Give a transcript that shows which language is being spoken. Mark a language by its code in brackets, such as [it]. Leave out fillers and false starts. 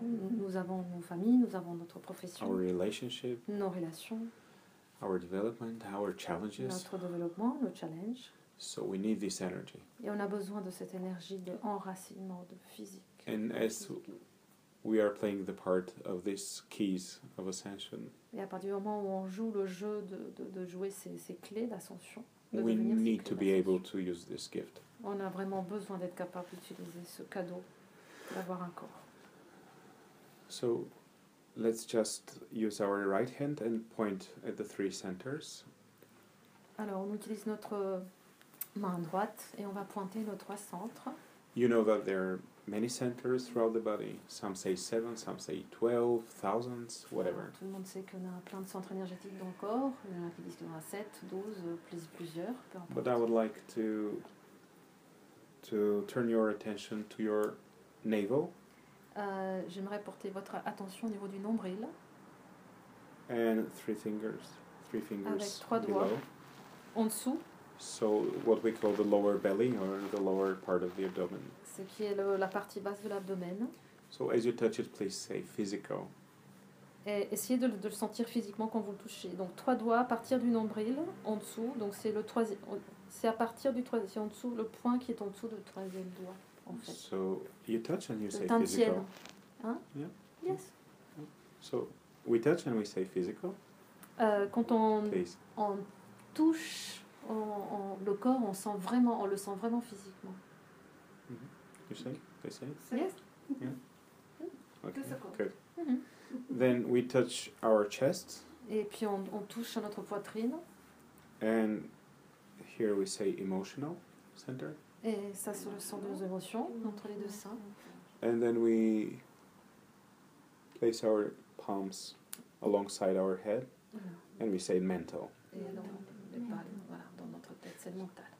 [fr] Nous avons nos familles, nous avons notre profession. [en] Our relationship. [fr] Nos relations. [en] Our development, our challenges. [fr] Notre développement, nos challenges. [en] So we need this energy. [fr] Et on a besoin de cette énergie de enracinement, de physique. [en] And as we are playing the part of these keys of ascension. [fr] Et à partir du moment où on joue le jeu de jouer ces clés d'ascension. [en] We need to be able to use this gift. [fr] On a vraiment besoin d'être capable d'utiliser ce cadeau, d'avoir un corps. [en] So, let's just use our right hand and point at the three centers. [fr] Alors, on utilise notre main droite et on va pointer nos trois centres. [en] You know that there are many centers throughout the body. Some say 7, some say 12, thousands, whatever. [fr] Tout le monde sait qu'on a plein de centres énergétiques dans le corps. Il y en a qui disent qu'on a 7, 12, plusieurs. [en] But I would like to turn your attention to your navel. [fr] J'aimerais porter votre attention au niveau du nombril. [en] And three fingers [fr] avec trois doigts [en] below. [fr] En dessous. [en] So what we call the lower belly or the lower part of the abdomen. [fr] Ce qui est la partie basse de l'abdomen. [en] So as you touch it, please say physical. [fr] Et essayez de le sentir physiquement quand vous le touchez. Donc trois doigts à partir du nombril en dessous. Donc c'est le troisième. C'est à partir du troisième, c'est en dessous, le point qui est en dessous du troisième doigt, en fait. [en] So, you touch and you [fr] le [en] say physical. [fr] Le tantien. Hein? [en] Yeah. Yes. So, we touch and we say physical. [fr] Quand on touche le corps, on le sent vraiment physiquement. [en] Mm-hmm. You say? They say? Yes. Yeah. Okay, good. Mm-hmm. Then we touch our chest. [fr] Et puis on touche à notre poitrine. [en] And here we say emotional center. [fr] Et ça se ressent de nos émotions entre les deux seins. [en] And then we place our palms alongside our head, [fr] voilà. [en] And we say mental. [fr] Et alors, voilà, dans notre tête, c'est le mental.